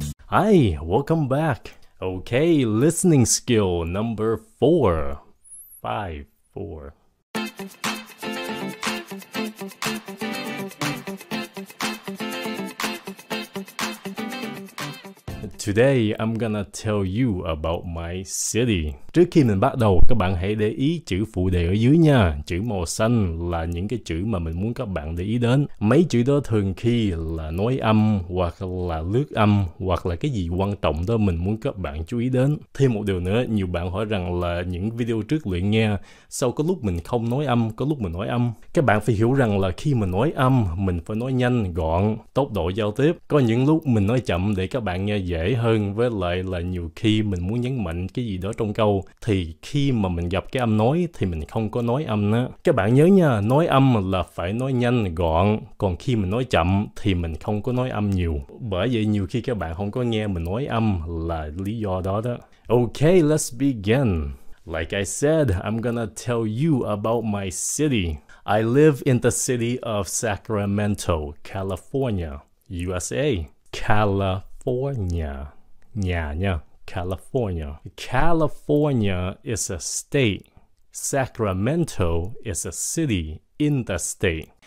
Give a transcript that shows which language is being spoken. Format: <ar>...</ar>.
<en>Hi, welcome back. Okay, listening skill number 4. 5, 4. Today, I'm gonna tell you about my city.</en> <vi>Trước khi mình bắt đầu, các bạn hãy để ý chữ phụ đề ở dưới nha. Chữ màu xanh là những cái chữ mà mình muốn các bạn để ý đến. Mấy chữ đó thường khi là nối âm, hoặc là lướt âm, hoặc là cái gì quan trọng đó mình muốn các bạn chú ý đến. Thêm một điều nữa, nhiều bạn hỏi rằng là những video trước luyện nghe, sau có lúc mình không nối âm, có lúc mình nối âm. Các bạn phải hiểu rằng là khi mình nối âm, mình phải nói nhanh, gọn, tốc độ giao tiếp. Có những lúc mình nói chậm để các bạn nghe dễ. hơn. Với lại là nhiều khi mình muốn nhấn mạnh cái gì đó trong câu, thì khi mà mình gặp cái âm nói thì mình không có nói âm đó. Các bạn nhớ nha, nói âm là phải nói nhanh, gọn. Còn khi mình nói chậm thì mình không có nói âm nhiều. Bởi vậy nhiều khi các bạn không có nghe mình nói âm là lý do đó đó.</vi> <en>Okay, let's begin. Like I said, I'm gonna tell you about my city. I live in the city of Sacramento, California, USA. California.</en> <vi>Nhà nha.</vi> <en>California. California is a state. Sacramento is a city in the state.</en>